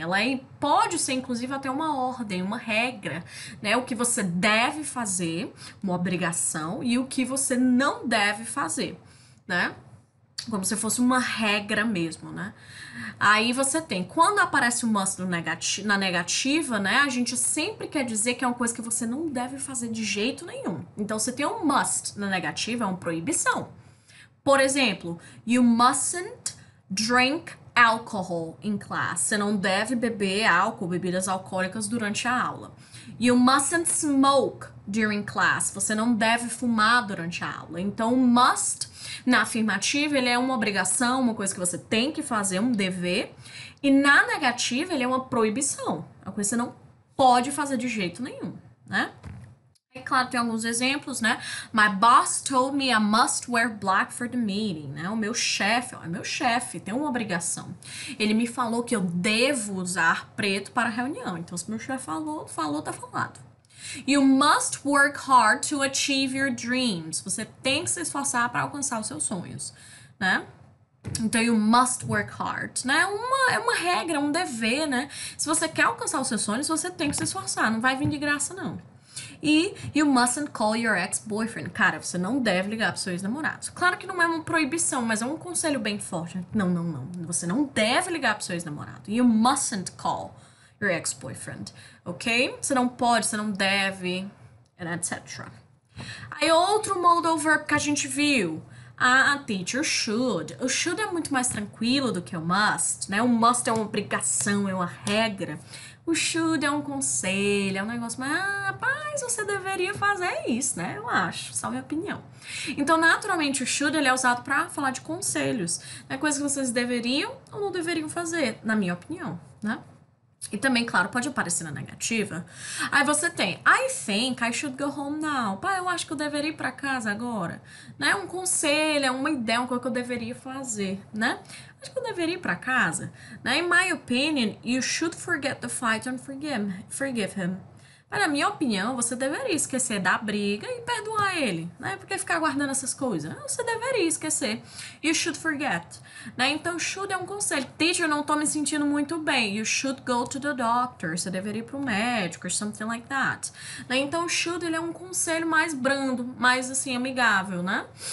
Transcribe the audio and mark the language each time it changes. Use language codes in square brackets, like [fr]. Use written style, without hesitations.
[pt] Ela é, pode ser, inclusive, até uma ordem, uma regra, né? O que você deve fazer, uma obrigação, e o que você não deve fazer, né? Como se fosse uma regra mesmo, né? Aí você tem, quando aparece o must no negati na negativa, né? A gente sempre quer dizer que é uma coisa que você não deve fazer de jeito nenhum. Então você tem um must na negativa, é uma proibição. [en] Por exemplo, you mustn't drink alcohol in class. [pt] Você não deve beber álcool, bebidas alcoólicas durante a aula. [en] You mustn't smoke during class. [pt] Você não deve fumar durante a aula. Então, must na afirmativa, ele é uma obrigação, uma coisa que você tem que fazer, um dever. E na negativa, ele é uma proibição, uma coisa que você não pode fazer de jeito nenhum, né? É claro, tem alguns exemplos, né? [en] My boss told me I must wear black for the meeting, [pt] né? O meu chefe, é meu chefe, tem uma obrigação. Ele me falou que eu devo usar preto para a reunião. Então, se meu chefe falou, falou, tá falado. [en] You must work hard to achieve your dreams. [pt] Você tem que se esforçar para alcançar os seus sonhos, né? Então, [en] you must work hard, [pt] né? É uma regra, um dever, né? Se você quer alcançar os seus sonhos, você tem que se esforçar. Não vai vir de graça, não. [en] E you mustn't call your ex-boyfriend. [pt] Cara, você não deve ligar para seu ex-namorado. Claro que não é uma proibição, mas é um conselho bem forte. Não, não, não. Você não deve ligar para seu ex-namorado. [en] You mustn't call your ex-boyfriend, ok? [pt] Você não pode, você não deve, and etc. Aí, outro modal verb que a gente viu. A teacher should. O should é muito mais tranquilo do que o must, né? O must é uma obrigação, é uma regra. O should é um conselho, é um negócio, mas rapaz, você deveria fazer isso, né? Eu acho, só minha opinião. Então, naturalmente, o should ele é usado para falar de conselhos, né? Coisas que vocês deveriam ou não deveriam fazer, na minha opinião, né? E também, claro, pode aparecer na negativa. Aí você tem, [en] I think I should go home now. [pt] Pá, eu acho que eu deveria ir para casa agora. Não é um conselho, é uma ideia, uma coisa que eu deveria fazer, né? Acho que eu deveria ir para casa. Né? [en] In my opinion, you should forget the fight and forgive him. [pt] Para minha opinião, você deveria esquecer da briga e perdoar ele, né? Por que ficar guardando essas coisas? Você deveria esquecer. [en] You should forget, [pt] né? Então, should é um conselho. Teacher, eu não tô me sentindo muito bem. [en] You should go to the doctor. [pt] Você deveria ir pro médico [en] or something like that, [pt] né? Então, should, ele é um conselho mais brando, mais, assim, amigável, né?